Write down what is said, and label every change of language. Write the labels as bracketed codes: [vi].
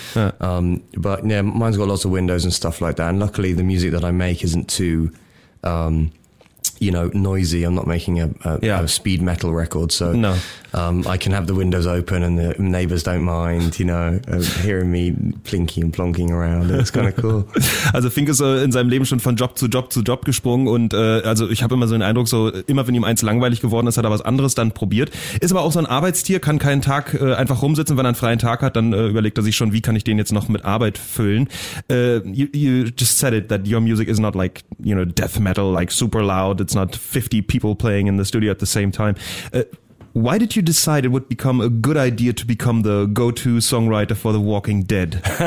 [en] But yeah, mine's got lots of windows and stuff like that. And luckily the music that I make isn't too, noisy. I'm not making a speed metal record. So no. I can have the windows open and the neighbors don't mind, you know, hearing me plinking and plonking around. It's kind of cool. [de] Also Fink ist in seinem Leben schon von Job zu Job zu Job gesprungen. Und also ich habe immer so den Eindruck, so immer wenn ihm eins langweilig geworden ist, hat er was anderes dann probiert. Ist aber auch so ein Arbeitstier, kann keinen Tag einfach rumsitzen. Wenn er einen freien Tag hat, dann überlegt er sich schon, wie kann ich den jetzt noch mit Arbeit füllen. [en] You just said it, that your music is not like, you know, death metal, like super loud. It's not 50 people playing in the studio at the same time. Why did you decide it would become a good idea to become the go-to songwriter for The Walking Dead?